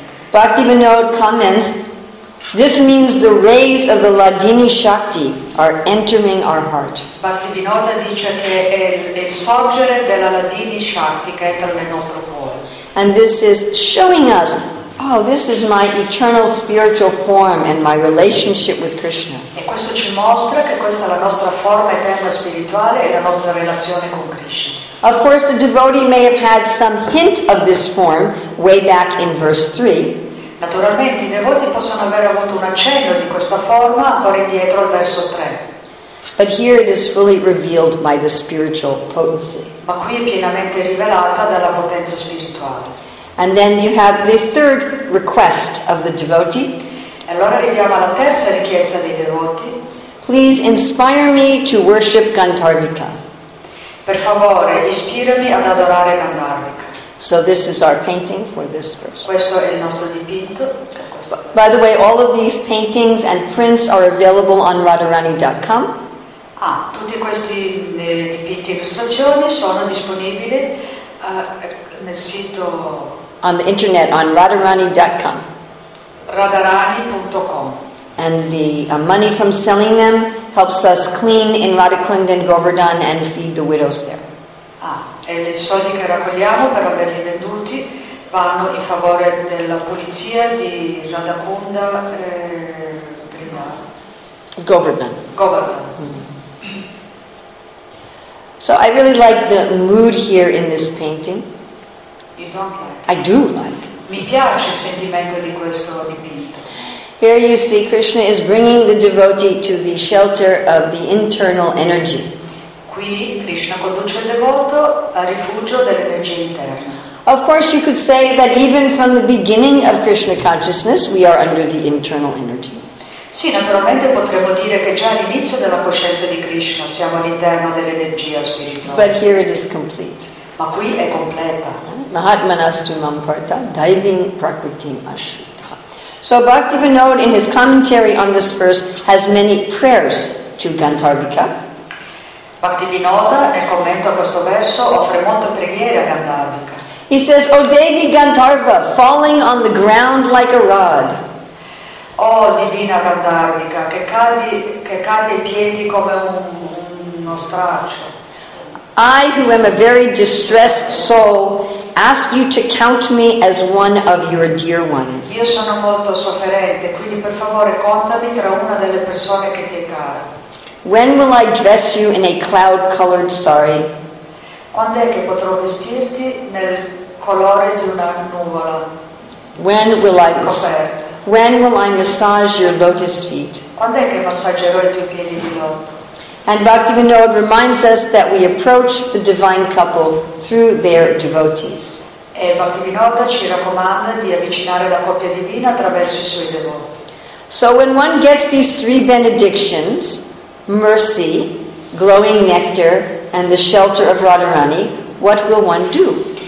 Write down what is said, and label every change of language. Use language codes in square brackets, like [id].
[en] Bhaktivinoda comments, this means the rays of the Ladini Shakti are entering our heart. [it] Bhaktivinoda dice che è il sorgere della Ladini Shakti che entra nel nostro cuore. [en] And this is showing us, oh, this is my eternal spiritual form and my relationship with Krishna. [it] E questo ci mostra che questa è la nostra forma eterna spirituale e la nostra relazione con Krishna. [en] Of course, the devotee may have had some hint of this form way back in verse 3. [it] Naturalmente, i devoti possono aver avuto un accenno di questa forma ancora indietro al verso 3. [en] But here it is fully revealed by the spiritual potency. [it] Ma qui è pienamente rivelata dalla potenza spirituale. [en] And then you have the third request of the devotee. [it] E allora arriviamo alla terza richiesta dei devoti. [en] Please inspire me to worship Gandharvika. [it] Per favore, ispirami ad adorare Gandharvika. [en] So this is our painting for this verse. [it] Questo è il nostro dipinto. [en] By the way, all of these paintings and prints are available on radharani.com. [it] Ah, tutti questi dipinti e illustrazioni sono disponibili nel sito... [en] On the internet, on radharani.com. [it] radharani.com. [en] And the money from selling them helps us clean in Radhakund and Govardhan and feed the widows there. [it] Ah, e le soldi che raccogliamo per averli venduti vanno in favore della pulizia di Radhakunda prima. [en] Govardhan. [it] Govardhan. [en] So I really like the mood here in this painting. You don't like it. I do like. [it] Mi piace il sentimento di questo dipinto. [en] Here you see Krishna is bringing the devotee to the shelter of the internal energy. [it] Qui Krishna conduce il devoto al rifugio dell'energia interna. [en] Of course you could say that even from the beginning of Krishna consciousness we are under the internal energy. [it] Sì, naturalmente potremmo dire che già all'inizio della coscienza di Krishna siamo all'interno dell'energia spirituale. [en] But here it is complete. [it] Ma qui è completa. [sa] Mahatmanastu mam parta daivim prakritim ashu. [en] So Bhaktivinoda in his commentary on this verse has many prayers to Gandharvika. [it] Bhaktivinoda nel commento a questo verso offre molte preghiere a Gandharvika. [en] He says, O Devi Gandharva, falling on the ground like a rod. [it] Oh divina Gandharvika, che cadi ai piedi come uno straccio. [en] I who am a very distressed soul ask you to count me as one of your dear ones. [it] Io sono molto sofferente, quindi per favore contami tra una delle persone che ti è cara. [en] When will I dress you in a cloud-colored sari? [it] Quando è che potrò vestirti nel colore di una nuvola? [en] When will I massage your lotus feet? [it] Quando è che massaggerò i tuoi piedi di loto? [en] And Bhaktivinoda reminds us that we approach the divine couple through their devotees. [it] E Bhaktivinoda ci raccomanda di avvicinare la coppia divina attraverso i suoi devoti. [en] So when one gets these three benedictions, mercy, glowing nectar, and the shelter of Radharani, what will one do?